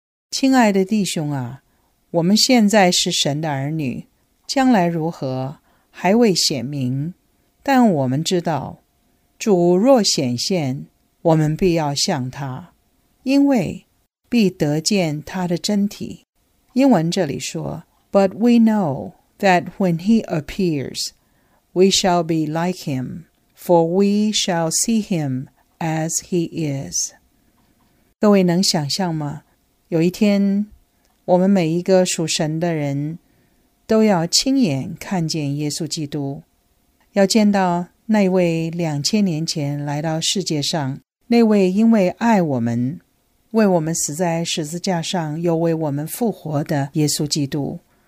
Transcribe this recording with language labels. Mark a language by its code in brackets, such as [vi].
[zh] 亲爱的弟兄啊，我们现在是神的儿女，将来如何还未显明，但我们知道主若显现，我们必要像他，因为必得见他的真体。英文这里说 [en] But we know that when he appears, we shall be like him, for we shall see him as he is. [zh] 各位能想象吗？有一天，我们每一个属神的人都要亲眼看见耶稣基督，要见到那位2000年前来到世界上，那位因为爱我们，为我们死在十字架上，又为我们复活的耶稣基督。